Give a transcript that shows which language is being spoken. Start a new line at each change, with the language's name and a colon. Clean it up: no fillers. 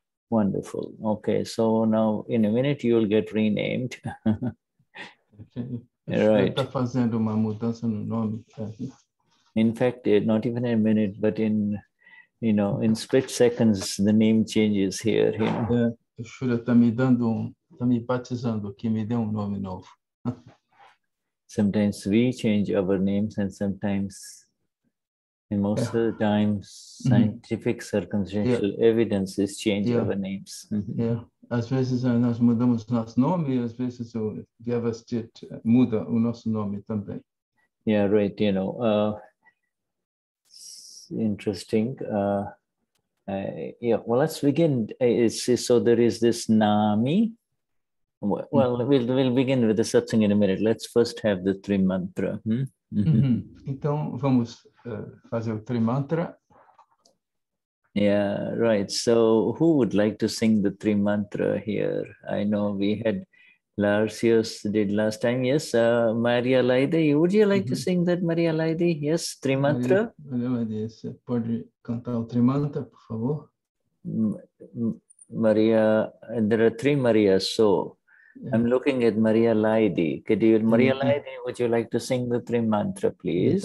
English: Wonderful. Okay, so now in a minute you'll get renamed. Okay. Right. In fact, not even a minute, but in split seconds, the name changes here. You know.
Portuguese: Yeah, Shuddha está me dando, está me batizando aqui, me deu nome novo.
English: Sometimes we change our names, and sometimes, and most of the times, scientific circumstantial evidences change our names.
Portuguese: Yeah, às vezes nós mudamos nosso nome, às vezes o Vyavasthit muda o nosso nome também.
English: Yeah, right. You know. Interesting. Well, let's begin. So there is this Nami. Well, we'll begin with the satsang in a minute. Let's first have the Trimantra. Hmm?
Portuguese: Mm-hmm. Então, vamos fazer o Trimantra.
English: Yeah, right. So who would like to sing the Trimantra here? I know we had Larsius did last time. Yes, Maria Laide. Would you like to sing that, Maria Laide? Yes, Trimantra.
Portuguese: Maria Laide, você pode cantar o Trimantra, por favor?
English: Maria, there are three Marias, so I'm looking at Maria Laide. Could you, Maria Laide, would you like to sing the Trimantra, please?